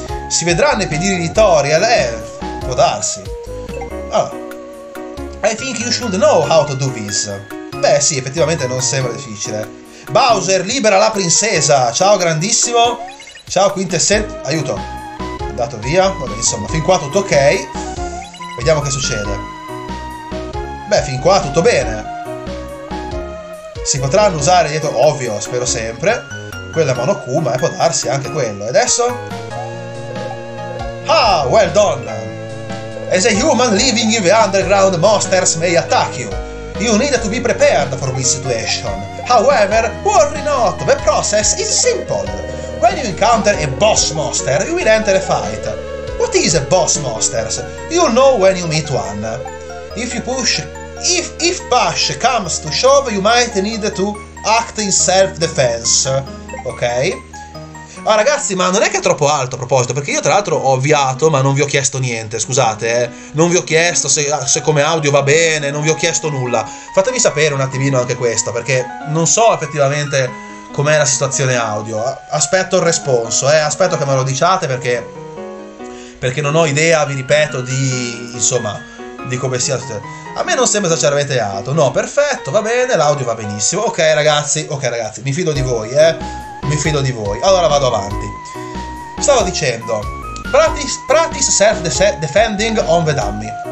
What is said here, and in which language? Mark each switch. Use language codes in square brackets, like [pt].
[it] Si vedranno i pedini di Toriel, può darsi. Oh. [en] I think you should know how to do this. [it] Beh, sì, effettivamente non sembra difficile. Bowser, libera la princesa! Ciao, grandissimo! Ciao, Quintessence. Aiuto! Andato via, vabbè, insomma, fin qua tutto ok. Vediamo che succede. Beh, fin qua tutto bene. Si potranno usare dietro, ovvio, spero sempre. Quella monokuma, può darsi anche quello. E adesso? [en] Ah, well done. As a human living in the underground, monsters may attack you. You need to be prepared for this situation. However, worry not, the process is simple. When you encounter a boss monster, you will enter a fight. What is a boss monsters? You know when you meet one. If you push, if push comes to shove, you might need to act in self-defense. Ok? [it] Ah, ragazzi, ma non è che è troppo alto a proposito, perché io tra l'altro ho avviato, ma non vi ho chiesto niente, scusate, eh. Non vi ho chiesto se come audio va bene, non vi ho chiesto nulla. Fatemi sapere un attimino anche questo, perché non so effettivamente com'è la situazione audio. Aspetto il responso, aspetto che me lo diciate, perché non ho idea, vi ripeto, di, insomma, di come sia la situazione. A me non sembra esageratamente alto. No, perfetto, va bene, l'audio va benissimo. Ok ragazzi, mi fido di voi, mi fido di voi. Allora vado avanti. Stavo dicendo, [en] practice self-defending on the dummy.